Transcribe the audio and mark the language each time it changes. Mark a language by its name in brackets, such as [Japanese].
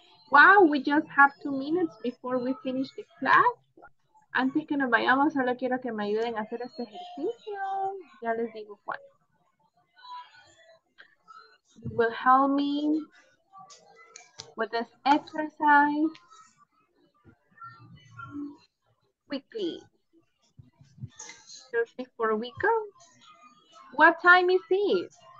[English] Wow, we just have 2 minutes before we finish the class. [Spanish] Antes que nos vayamos, solo quiero que me ayuden a hacer este ejercicio. Ya les digo cuál. [English] You will help me with this exercise quickly. Just before we go, what time is it?